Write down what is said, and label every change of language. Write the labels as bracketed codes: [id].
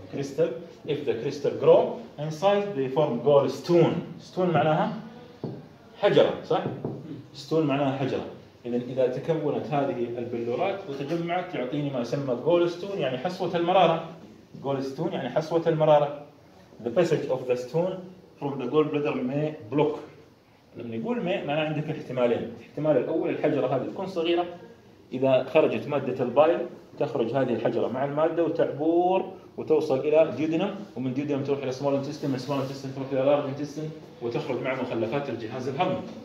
[en] Crystal, if the crystal grow inside they form gallstone. [ar] stone معناها حجرة، صح؟ stone معناها حجرة. إذا تكونت هذه البلورات وتجمعت يعطيني ما يسمى gallstone، يعني حصوة المرارة. gallstone يعني حصوة المرارة. [en] the passage of the stone from the gallbladder may block. [ar] لما نقول may معناها عندك احتمالين. الاحتمال الأول الحجرة هذه تكون صغيرة، إذا خرجت مادة البايل تخرج هذه الحجرة مع المادة وتعبر وتوصل إلى duodenum، ومن duodenum تروح إلى small intestine، من small intestine تروح إلى large intestine وتخرج مع مخلفات الجهاز الهضمي.